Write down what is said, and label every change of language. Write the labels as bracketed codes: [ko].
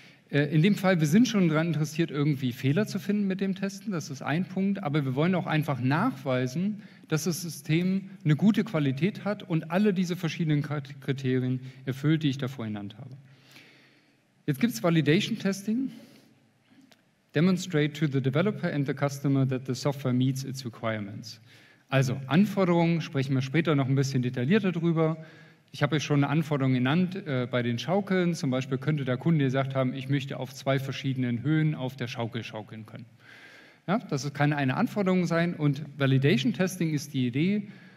[de] In dem Fall, wir sind schon daran interessiert, irgendwie Fehler zu finden mit dem Testen, das ist ein Punkt, aber wir wollen auch einfach nachweisen, dass das System eine gute Qualität hat und alle diese verschiedenen Kriterien erfüllt, die ich davor genannt habe. Jetzt gibt es Validation Testing. [en] Demonstrate to the developer and the customer that the software meets its requirements. [de] Also Anforderungen, sprechen wir später noch ein bisschen detaillierter drüber. Ich habe euch schon eine Anforderung genannt bei den Schaukeln. Zum Beispiel könnte der Kunde gesagt haben, ich möchte auf zwei verschiedenen Höhen auf der Schaukel schaukeln können. Ja, das kann eine Anforderung sein und Validation Testing ist die Idee.